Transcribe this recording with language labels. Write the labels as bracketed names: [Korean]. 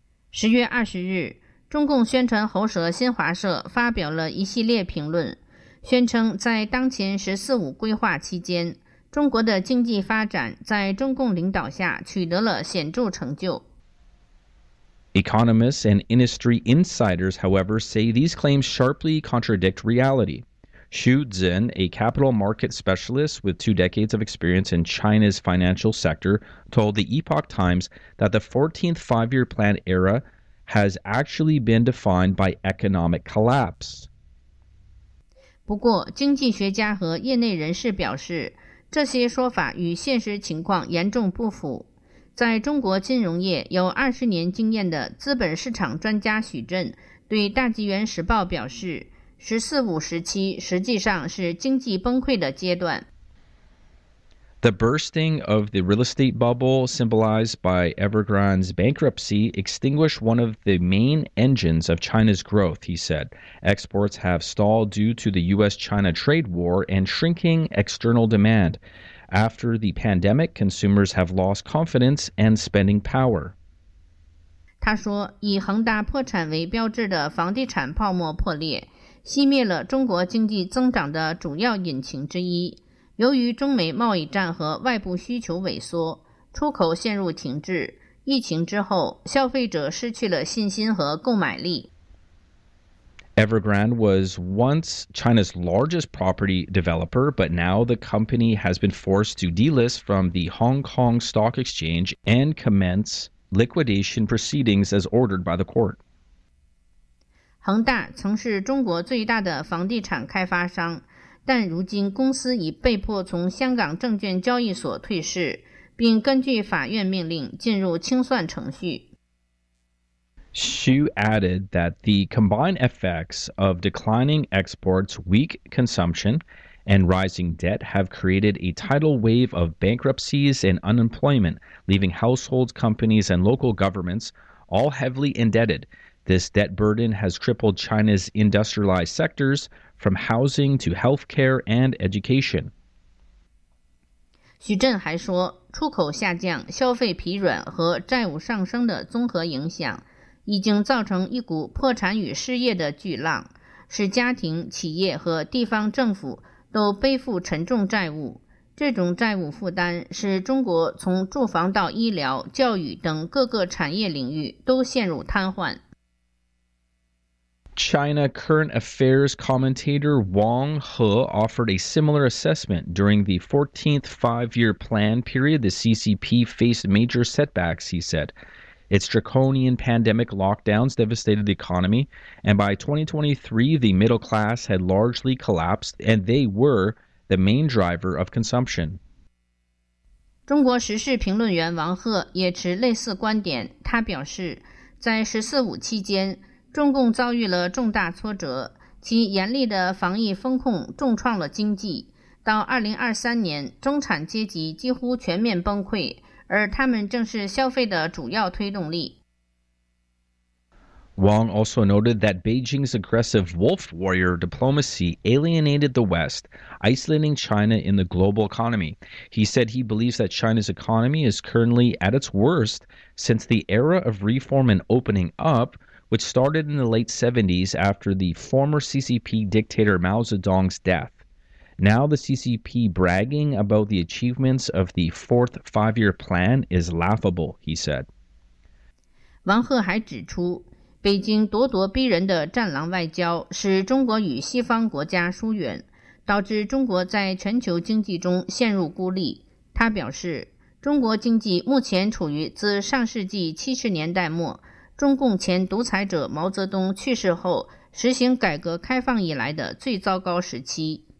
[Chinese] 10月20日，中共宣传喉舌新华社发表了一系列评论，宣称在当前“十四五”规划期间，中国的经济发展在中共领导下取得了显著成就。 [English] Economists and industry insiders, however, say these claims sharply contradict reality. Xu Zhen, a capital market specialist with 2 decades of experience in China's financial sector, told the Epoch Times that the 14th five-year plan era has actually been defined by economic collapse. [Chinese] 不过，经济学家和业内人士表示，这些说法与现实情况严重不符。在中国金融业有20年经验的资本市场专家许振对《大纪元时报》表示，十四五时期实际上是经济崩溃的阶段。 [English] The bursting of the real estate bubble symbolized by Evergrande's bankruptcy extinguished one of the main engines of China's growth, he said. Exports have stalled due to the U.S.-China trade war and shrinking external demand. After the pandemic, consumers have lost confidence and spending power. [Chinese] 他说，以恒大破产为标志的房地产泡沫破裂，熄灭了中国经济增长的主要引擎之一。由于中美贸易战和外部需求萎缩，出口陷入停滞，疫情之后，消费者失去了信心和购买力。 [English] Evergrande was once China's largest property developer, but now the company has been forced to delist from the Hong Kong Stock Exchange and commence liquidation proceedings as ordered by the court. [Chinese] 恒大曾是中国最大的房地产开发商，但如今公司已被迫从香港证券交易所退市，并根据法院命令进入清算程序。 [English] Xu added that the combined effects of declining exports, weak consumption, and rising debt have created a tidal wave of bankruptcies and unemployment, leaving households, companies, and local governments all heavily indebted. This debt burden has crippled China's industrialized sectors, from housing to healthcare and education. [Chinese] 许振还说，出口下降、消费疲软和债务上升的综合影响，已经造成一股破产与失业的巨浪，使家庭、企业和地方政府都背负沉重债务。这种债务负担使中国从住房到医疗、教育等各个产业领域都陷入瘫痪。 [English] China Current Affairs commentator Wang He offered a similar assessment. During the 14th five-year plan period, the CCP faced major setbacks, he said. Its draconian pandemic lockdowns devastated the economy, and by 2023, the middle class had largely collapsed, and they were the main driver of consumption. [Chinese] 中国时事评论员王鹤也持类似观点，他表示，在十四五期间，中共遭遇了重大挫折，其严厉的防疫风控重创了经济，到2023年，中产阶级几乎全面崩溃，而他们正是消费的主要推动力。 [English] Wang also noted that Beijing's aggressive wolf warrior diplomacy alienated the West, isolating China in the global economy. He said he believes that China's economy is currently at its worst since the era of reform and opening up, which started in the late 70s after the former CCP dictator Mao Zedong's death. Now the CCP bragging about the achievements of the fourth five-year plan is laughable, he said. [Chinese] Wang He 还指出，北京咄咄逼人的战狼外交使中国与西方国家疏远，导致中国在全球经济中陷入孤立。他表示，中国经济目前处于自上世纪70年代末，中共前独裁者毛泽东去世后实行改革开放以来的最糟糕时期。